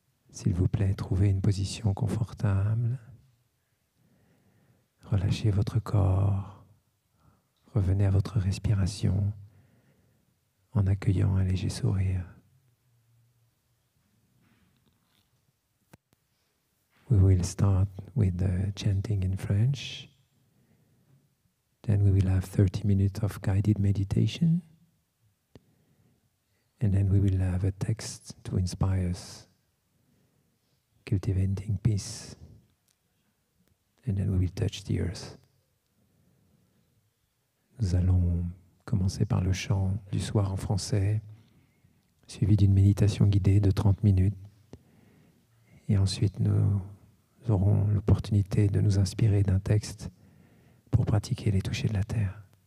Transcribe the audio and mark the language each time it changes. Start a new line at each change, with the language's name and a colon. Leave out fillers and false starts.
French: S'il vous plaît, trouvez une position confortable. Relâchez votre corps. Revenez à votre respiration en accueillant un léger sourire.
English: We will start with the chanting in French. Then we will have 30 minutes of guided meditation. And then we will have a text to inspire us. Cultivating peace, and then we will touch the earth.
French: Nous allons commencer par le chant du soir en français, suivi d'une méditation guidée de 30 minutes. Et ensuite, nous aurons l'opportunité de nous inspirer d'un texte pour pratiquer les touchers de la terre.